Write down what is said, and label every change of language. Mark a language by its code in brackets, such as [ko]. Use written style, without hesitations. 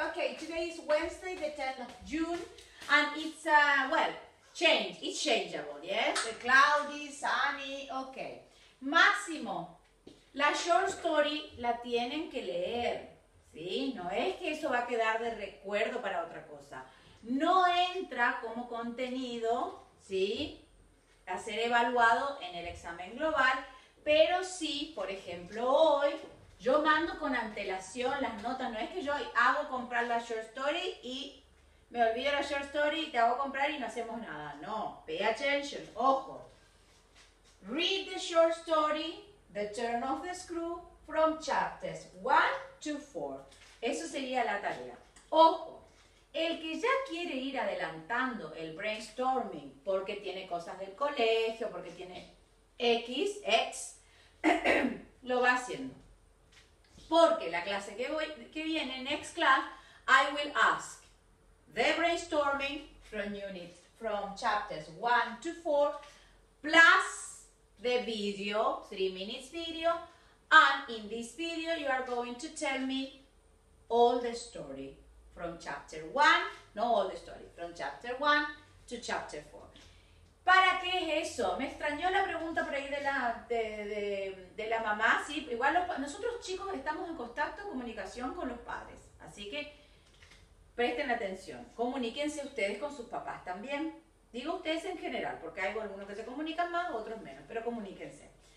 [en] Okay, today is Wednesday, the 10th of June, and it's, well, change. It's changeable, yes? The cloudy, sunny, okay. [es] Máximo, la short story la tienen que leer, ¿sí? No es que eso va a quedar de recuerdo para otra cosa. No entra como contenido, ¿sí? A ser evaluado en el examen global, pero sí, por ejemplo, hoy, yo mando con antelación las notas, no es que yo hago comprar la short story y me olvido la short story y te hago comprar y no hacemos nada, no, [en] pay attention, [es] ojo. [en] Read the short story, the turn of the screw, from chapters 1 to 4. [es] Eso sería la tarea. Ojo, el que ya quiere ir adelantando el brainstorming porque tiene cosas del colegio, porque tiene X, lo va haciendo. Porque la clase que viene, [en] next class, I will ask the brainstorming from units, from chapters 1 to 4, plus the video, 3 minutes video, and in this video you are going to tell me all the story from chapter 1, no all the story, from chapter 1 to chapter 4. [es] ¿Para qué es eso? Me extrañó la pregunta por ahí de la mamá, sí, igual nosotros chicos estamos en contacto, comunicación con los padres, así que presten atención, comuníquense ustedes con sus papás también. Digo ustedes en general, porque hay algunos que se comunican más, otros menos, pero comuníquense.